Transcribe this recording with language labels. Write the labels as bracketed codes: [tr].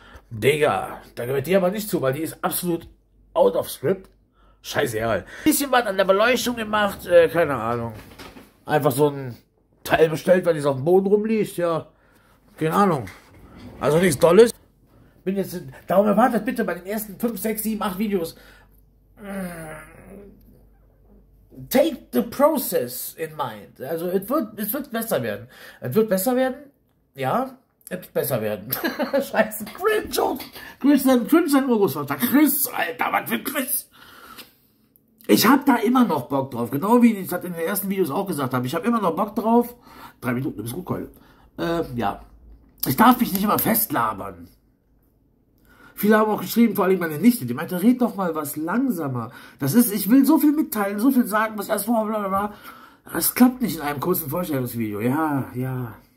[de] Digga, da gehört die aber nicht zu, weil die ist absolut [en] out of script. [de] Scheiße, ja. Bisschen was an der Beleuchtung gemacht, keine Ahnung. Einfach so ein Teil bestellt, weil die so auf dem Boden rumliegt, ja. Keine Ahnung. Also nichts Tolles. Bin jetzt in, darum erwartet bitte bei den ersten 5, 6, 7, 8 Videos. [en] Take the process in mind. [de] Also, es wird besser werden. Es wird besser werden. Ja, es wird besser werden. Scheiße. Cringe, Chris, Alter, was für Chris? Ich habe da immer noch Bock drauf. Genau wie ich das in den ersten Videos auch gesagt habe. Ich habe immer noch Bock drauf. 3 Minuten, du bist gut, Keule. Ja. Ich darf mich nicht immer festlabern. Viele haben auch geschrieben, vor allem meine Nichte, die meinte, red doch mal was langsamer. Das ist, ich will so viel mitteilen, so viel sagen, was erst vorher war. Das klappt nicht in einem kurzen Vorstellungsvideo. Ja.